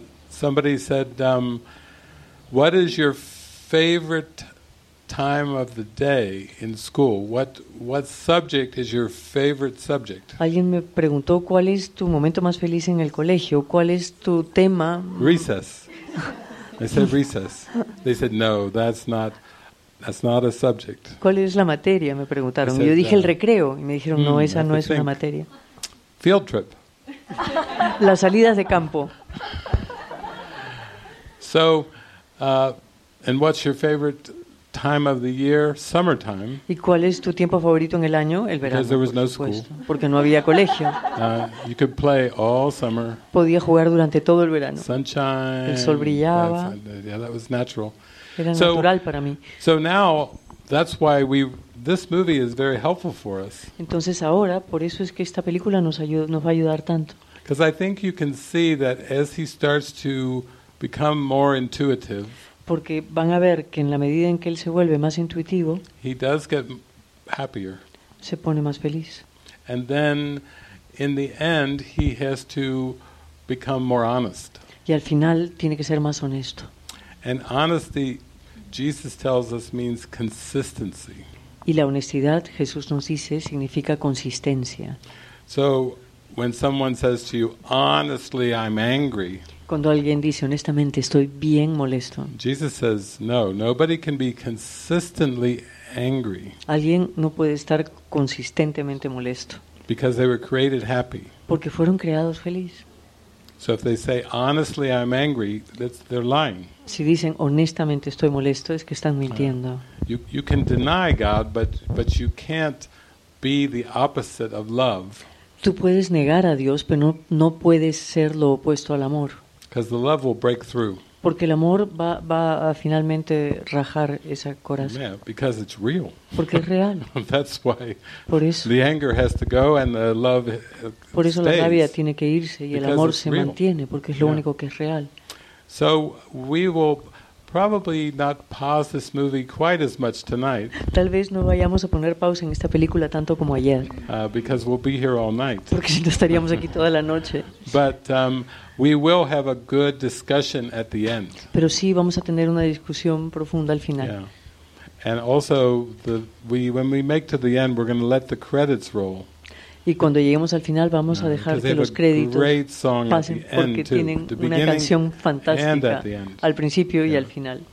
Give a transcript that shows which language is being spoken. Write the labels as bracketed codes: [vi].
[en] Somebody said, "What is your favorite time of the day in school? What subject is your favorite subject?" [es] Alguien me preguntó cuál es tu momento más feliz en el colegio. ¿Cuál es tu tema? [en] Recess. I said recess. They said no, that's not a subject. [es] ¿Cuál es la materia? Me preguntaron. Yo dije el recreo y me dijeron no, esa no es una materia. [en] Field trip. [es] Las salidas de campo. So, [en] And what's your favorite time of the year? Summertime. [es] ¿Y cuál es tu tiempo favorito en el año? El verano. [en] Because there was no school. [es] Porque no había colegio. [en] You could play all summer. [es] Podía jugar durante todo el verano. [en] Sunshine. [es] El sol brillaba. [en] Yeah, that was natural. [es] Era natural para mí. [en] So now, that's why this movie is very helpful for us. [es] Entonces ahora, por eso es que esta película nos va a ayudar tanto. [en] Because I think you can see that as he starts to become more intuitive. [es] Porque van a ver que en la medida en que él se vuelve más intuitivo, [en] he does get happier. [es] Se pone más feliz. [en] And then, in the end, he has to become more honest. [es] Y al final tiene que ser más honesto. [en] And honesty, Jesus tells us, means consistency. [es] Y la honestidad, Jesús nos dice, significa consistencia. [en] So, when someone says to you, honestly, I'm angry. [es] Cuando alguien dice, honestamente, estoy bien molesto. [en] Jesus says, no, nobody can be consistently angry. [es] Alguien no puede estar consistentemente molesto. [en] Because they were created happy. [es] Porque fueron creados felices. [en] So if they say, honestly, I'm angry, that's they're lying. [es] Si dicen, honestamente, estoy molesto, es que están mintiendo. [en] You can deny God, but you can't be the opposite of love. [es] Tú puedes negar a Dios, pero no puedes ser lo opuesto al amor. [en] Because the love will break through. [es] Porque el amor va a finalmente rajar esa coraza. [en] Yeah, because it's real. [es] Porque es real. [en] That's why. [es] Por eso. [en] The anger has to go and the love stays. [es] Por eso la rabia tiene que irse y el amor se mantiene porque es lo único que es real. [en] So we will probably not pause this movie quite as much tonight. [es] Tal vez no vayamos a poner pausa en esta película tanto como ayer. [en] Because we'll be here all night. [es] Porque si no estaríamos aquí toda la noche. [en] But we will have a good discussion at the end. [es] Pero sí vamos a tener una discusión profunda al final. Yeah. [en] And also when we make to the end, we're going to let the credits roll. [es] Y cuando lleguemos al final vamos a dejar que los créditos pasen [en] at the end, [es] porque tienen una canción fantástica al principio y al final.